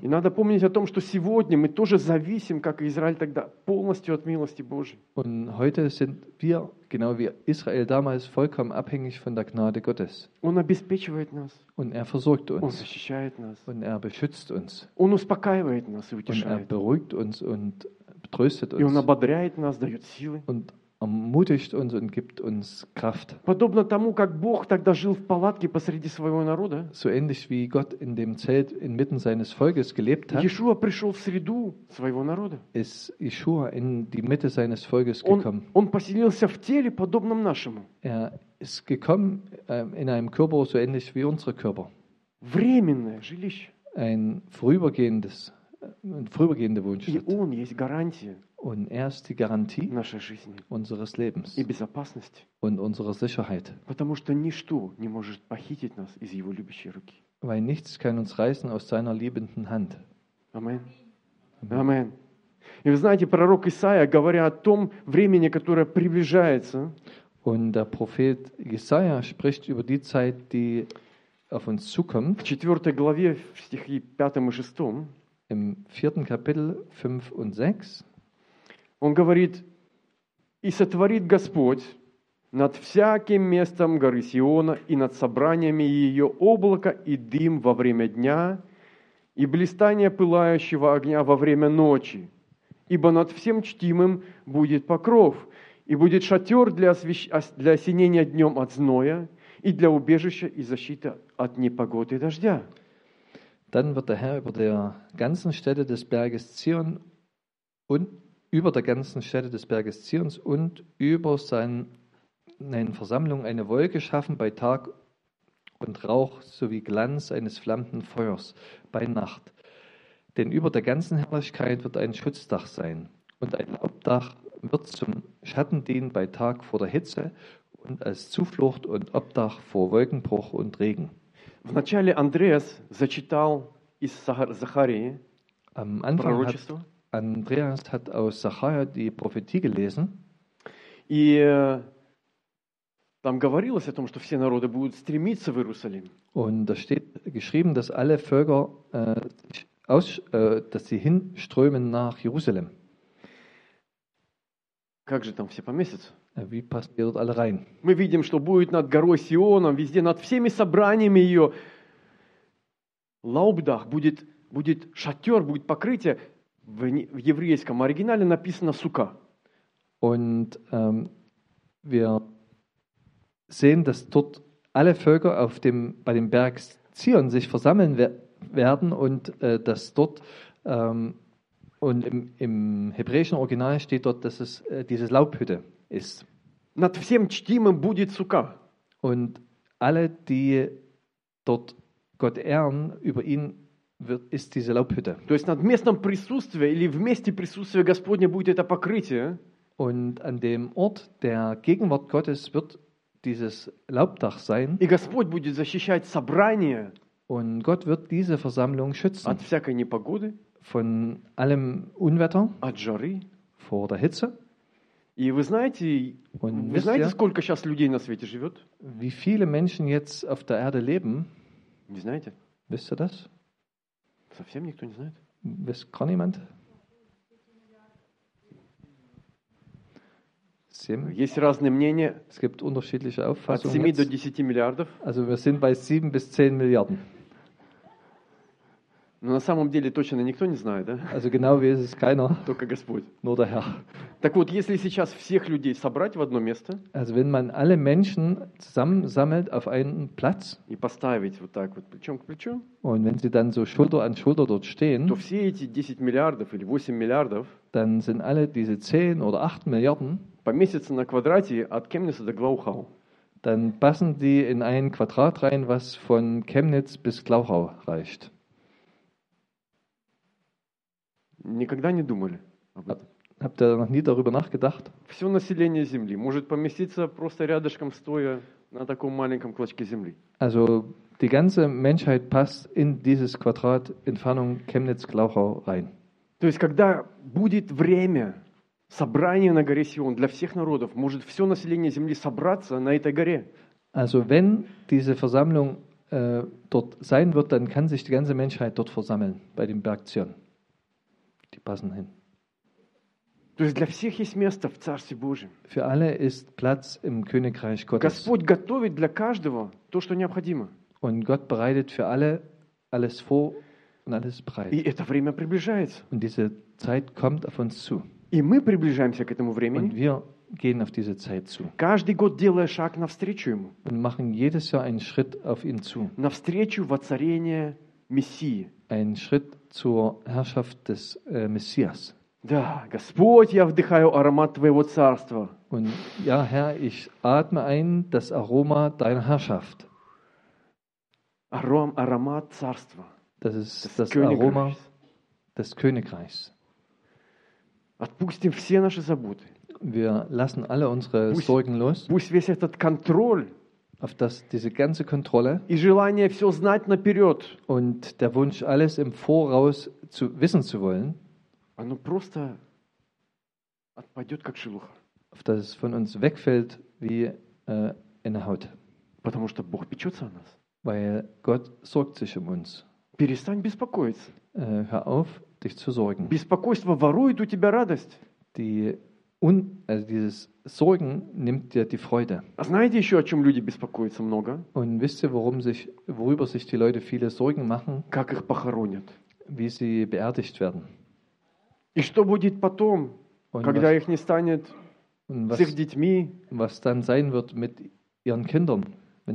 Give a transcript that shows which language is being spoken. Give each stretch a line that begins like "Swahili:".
Russian: И надо помнить о том, что сегодня мы тоже зависим, как и Израиль тогда, полностью от милости Божьей.
German: Und heute sind wir, genau wie Israel damals, vollkommen abhängig von der Gnade Gottes.
Russian: Он обеспечивает нас.
German: Und er versorgt uns.
Russian: Он защищает нас.
German: Und er beschützt uns.
Russian: Он успокаивает нас и утешает.
German: Und er beruhigt uns und tröstet uns.
Russian: И он ободряет нас, дает силы.
German: Und ermutigt uns und gibt uns Kraft.
Russian: Подобно тому, как Бог тогда жил в палатке посреди своего народа.
German: So ähnlich wie Gott in dem Zelt inmitten seines Volkes gelebt hat.
Russian: Jeschua пришел в среду своего народа.
German: Ist Jeschua in die Mitte seines Volkes gekommen.
Russian: Он поселился в теле подобном нашему.
German: Er ist gekommen in einem Körper so ähnlich wie unsere Körper.
Russian: Временное жилище.
German: Ein vorübergehende Wohnstätte.
Russian: И он есть гарантия.
German: Und er ist die Garantie unseres Lebens
Russian: и безопасности.
German: Und unserer Sicherheit.
Russian: Потому что ничто не может похитить нас из его любящей руки.
German: Weil nichts kann uns reißen aus seiner liebenden Hand.
Hebrew: Amen. Amen. Amen.
Russian: И вы знаете, пророк Исаия, говоря о том времени, которое приближается,
German: und der Prophet Jesaja spricht über die Zeit, die auf uns zukommt.
Russian: В 4 главе, в стихи 5 и 6.
German: Im 4. Kapitel 5 und 6.
Russian: Он говорит, и сотворит Господь над всяким местом горы Сиона и над собраниями ее облако и дым во время дня и блистание пылающего огня во время ночи. Ибо над всем чтимым будет покров, и будет шатер для осенения днем от зноя и для убежища и защиты от непогоды и дождя.
German: Dann wird der Herr über der ganzen Stätte des Berges Zion und über der ganzen Stätte des Berges Zions und über seinen Versammlungen eine Wolke schaffen bei Tag und Rauch sowie Glanz eines flammenden Feuers bei Nacht. Denn über der ganzen Herrlichkeit wird ein Schutzdach sein und ein Obdach wird zum Schatten dienen bei Tag vor der Hitze und als Zuflucht und Obdach vor Wolkenbruch und Regen.
Russian: В начале Андреас зачитал из Захарии пророчество.
German: Andreas hat aus Zacharia die Prophetie gelesen.
Russian: И Там говорилось о том, что все народы будут стремиться в Иерусалим.
German: Und da steht geschrieben, dass alle Völker dass sie hinströmen nach Jerusalem.
Russian: Как же там все поместятся?
German: Wie passen die dort alle rein?
Russian: Мы видим, что будет над горой Сионом, везде над всеми собраниями ее. Лаубдах будет шатер, будет покрытие. В еврейском оригинале написано сука.
German: Und wir sehen, dass dort alle Völker auf dem, bei dem Berg Zion sich versammeln werden und dass dort und im hebräischen Original steht dort, dass es diese Laubhütte ist.
Russian: Над всем чтимым будет сука.
German: Und alle, die dort Gott ehren, über ihn wird, ist diese Laubhütte.
Russian: То есть над местом присутствия или в месте присутствия Господня будет это покрытие.
German: Und an dem Ort der Gegenwart Gottes wird dieses Laubdach sein.
Russian: И Господь будет защищать собрание.
German: Und Gott wird diese Versammlung schützen.
Russian: От всякой непогоды.
German: Von allem Unwetter.
Russian: От жары.
German: Vor der Hitze.
Russian: И вы знаете,
German: Und
Russian: вы
German: wisst
Russian: знаете,
German: ihr,
Russian: сколько сейчас людей на свете живет?
German: Wie viele Menschen jetzt auf der Erde leben?
Russian: Не знаете?
German: Wisst ihr das?
Russian: Совсем никто не знает.
German: Weiß gar niemand?
Russian: Есть разные мнения.
German: Es gibt unterschiedliche Auffassungen.
Russian: От 7 до 10 миллиардов.
German: Also wir sind bei 7 bis 10 Milliarden.
Russian: Но на самом деле точно никто не знает, да?
German: Also genau weiß es keiner.
Russian: Только Господь.
German: Nur der Herr.
Russian: Так вот, если сейчас всех людей собрать в одно место.
German: Also wenn man alle Menschen zusammensammelt auf einen Platz.
Russian: И поставить вот так вот плечом к плечу.
German: Und wenn sie dann so Schulter an Schulter dort stehen.
Russian: То все эти 10 миллиардов или 8 миллиардов.
German: Dann sind alle diese 10 oder 8 Milliarden.
Russian: Поместится на квадрате от Кемница до Глаухау.
German: Dann passen die in ein Quadrat rein, was von Chemnitz bis Glauchau reicht.
Russian: Никогда не думали об этом.
German: Habt ihr noch nie darüber nachgedacht?
Russian: Все население Земли может поместиться просто рядышком стоя на таком маленьком клочке Земли.
German: Also die ganze Menschheit passt in dieses Quadrat Entfernung Chemnitz-Glauchau rein.
Russian: То есть когда будет время. Собрание на горе Сион для всех народов. Может все население земли собраться на этой горе?
German: Also wenn diese Versammlung dort sein wird, dann kann sich die ganze Menschheit dort versammeln bei dem Berg Zion. Die passen hin.
Russian: То есть для всех есть место в Царстве Божьем.
German: Für alle ist Platz im Königreich Gottes.
Russian: Господь готовит для каждого то, что необходимо.
German: Und Gott bereitet für alle alles vor und alles bereit.
Russian: И это время приближается.
German: Und diese Zeit kommt auf uns zu.
Russian: И мы приближаемся к этому времени.
German: Und wir gehen auf diese Zeit zu.
Russian: Каждый год делая шаг навстречу ему.
German: Und machen jedes Jahr einen Schritt auf ihn zu.
Russian: Навстречу воцарение Мессии.
German: Ein Schritt zur Herrschaft des Messias.
Russian: Да, Господь, я вдыхаю аромат твоего царства.
German: Und ja, Herr, ich atme ein das Aroma deiner Herrschaft.
Russian: Аромат царства.
German: Das ist das Aroma des Königreichs.
Russian: Отпустим все наши заботы.
German: Wir lassen alle unsere Sorgen los.
Russian: Пусть весь этот контроль.
German: Auf das, diese ganze Kontrolle.
Russian: И желание все знать наперед.
German: Und der Wunsch, alles im Voraus zu wissen zu wollen.
Russian: Оно просто отпадет как шелуха.
German: Auf das es von uns wegfällt wie eine Haut.
Russian: Потому что Бог печется о нас.
German: Weil Gott sorgt sich um uns.
Russian: Перестань беспокоиться.
German: Hör auf. Dich zu sorgen.
Russian: Беспокойство ворует у тебя радость.
German: Dieses Sorgen nimmt dir die Freude.
Russian: А знаете еще, о чем люди беспокоятся много?
German: Und wisst ihr, worüber sich die Leute viele Sorgen machen?
Russian: Как их похоронят?
German: Wie sie beerdigt werden?
Russian: И что будет потом,
German: und
Russian: когда
German: was,
Russian: их не станет с их детьми?
German: Was dann sein wird mit ihren Kindern, wenn